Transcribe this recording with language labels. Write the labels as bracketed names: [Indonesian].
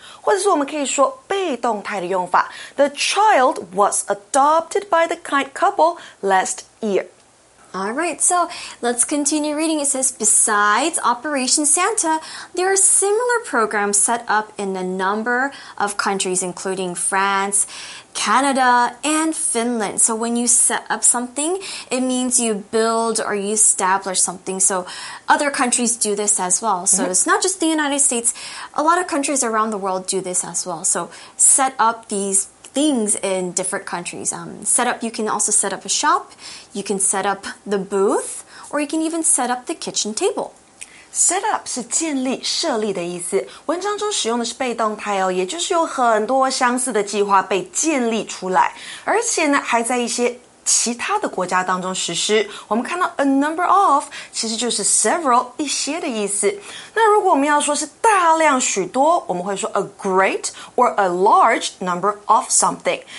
[Chinese] 或者是我们可以说被动态的用法。 [English] The child was adopted by the kind couple last year. All right, so let's continue reading. It says, besides Operation Santa, there are similar programs set up in a number of countries, including France, Canada, and Finland. So when you set up something, it means you build or you establish something. So other countries do this as well. So it's not just the United States. A lot of countries around the world do this as well. So set up these things in different countries. Set up, you can also set up a shop, you can set up the booth, or you can even set up the kitchen table. [Chinese] Set up 是建立、设立的意思。文章中使用的是被动态哦，也就是有很多相似的计划被建立出来，而且呢，还在一些其他的国家当中实施。我们看到 [English] a number of [Chinese] 其实就是 several 一些的意思。那如果我们要说是大量许多，我们会说 [English] a great or a large number of something。